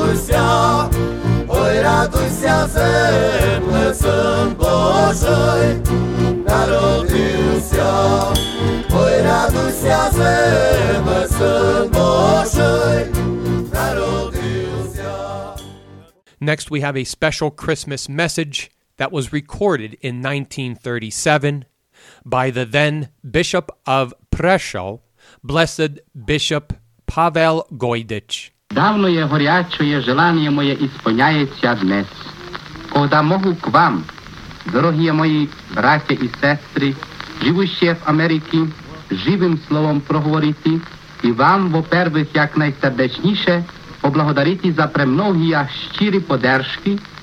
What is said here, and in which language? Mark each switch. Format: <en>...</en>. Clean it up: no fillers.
<uk>Радуйся, земле, Син Божий народився. Ой, радуйся, земле, Син Божий народився.</uk> <en>Next we have a special Christmas message that was recorded in 1937 by the then Bishop of Prešov, Blessed Bishop Pavel Gojdič.</en> <rue>Давно є горячоє желання моє і сповняється днес. Когда можу к вам, дорогі мої браття і сестри, живущі в Америці, живим словом проговорити і вам, во-первых, як найсердечніше, поблагодарити за премногі щирі подержки,</rue>